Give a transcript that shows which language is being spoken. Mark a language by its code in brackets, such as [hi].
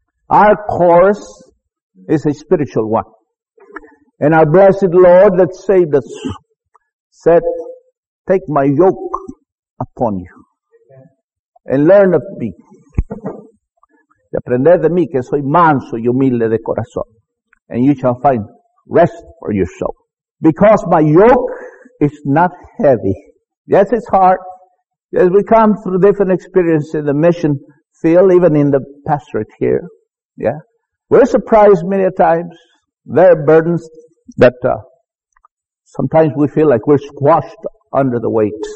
[en] Our course is a spiritual one. And our blessed Lord that saved us said, take my yoke upon you and learn of me. [es] Aprender de mí que soy manso y humilde de corazón. [en] And you shall find rest for your soul. Because my yoke is not heavy. Yes, it's hard. Yes, we come through different experiences in the mission field, even in the pastorate here. Yeah. We're surprised many times. There are burdens that sometimes we feel like we're squashed under the weight.